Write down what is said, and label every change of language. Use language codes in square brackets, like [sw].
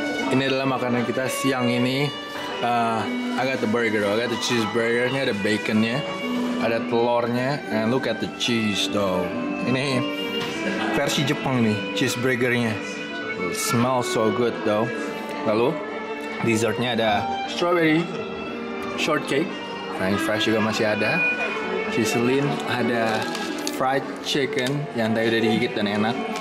[id] Ini adalah makanan kita siang ini. [en] I got the burger, I got the cheeseburger. [id] Ini ada baconnya, ada telurnya, [en] and look at the cheese though. [id] Ini versi Jepang nih, cheeseburgernya. [en] Smells so good though. [id] Lalu dessertnya ada [en] strawberry shortcake, [id] French fries juga masih ada. Sizzling ada fried chicken yang tadi udah digigit dan enak.